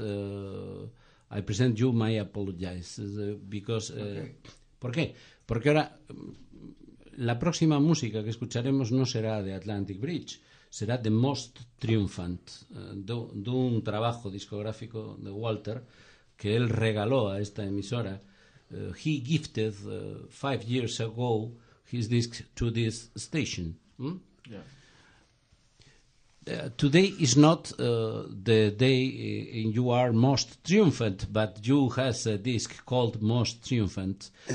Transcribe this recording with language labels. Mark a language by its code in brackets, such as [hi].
[en] I present you my apologies because... [es] Okay. ¿Por qué? Porque ahora la próxima música que escucharemos no será de Atlantic Bridge, será The Most Triumphant, de un trabajo discográfico de Walter que él regaló a esta emisora. [en] He gifted 5 years ago his disc to this station. Hmm? Today is not the day you are most triumphant, but you has a disc called Most Triumphant.